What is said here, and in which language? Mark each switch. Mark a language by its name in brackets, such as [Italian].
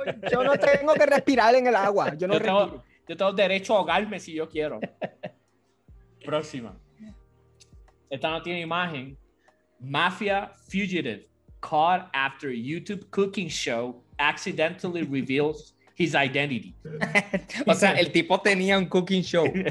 [Spanish] Yo no tengo que respirar en el agua. Yo no respiro. Yo tengo derecho a ahogarme si yo quiero. Próxima. Esta no tiene imagen. [English] Mafia fugitive caught after a YouTube cooking show accidentally reveals his identity. [Spanish] O sea, el tipo tenía un [English] cooking show.